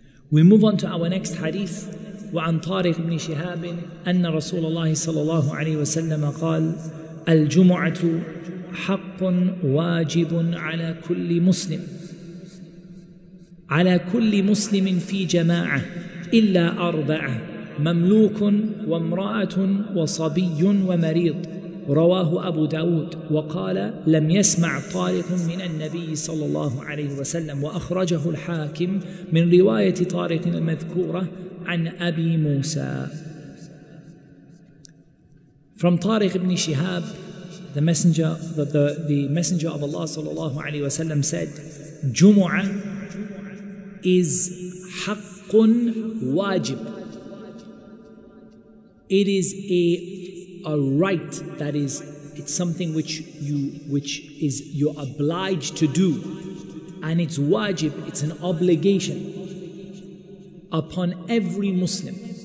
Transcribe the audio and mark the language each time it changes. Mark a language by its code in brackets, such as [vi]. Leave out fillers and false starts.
[en] We move on to our next hadith. [ar] وعن طارق بن شهاب أن رسول الله صلى الله عليه وسلم قال الجمعة حق واجب على كل مسلم على كل مسلم في جماعة إلا أربعة مملوك وامرأة وصبي ومريض رواه أبو داود وقال لم يسمع طارق من النبي صلى الله عليه وسلم وأخرجه الحاكم من رواية طارق المذكورة عن أبي موسى. [en] From طارق بن شهاب, the messenger of Allah صلى الله عليه وسلم said, Jumu'ah is [ar] حق واجب. [en] It is a right, that is, it's something which you're obliged to do, and it's wajib, it's an obligation upon every Muslim.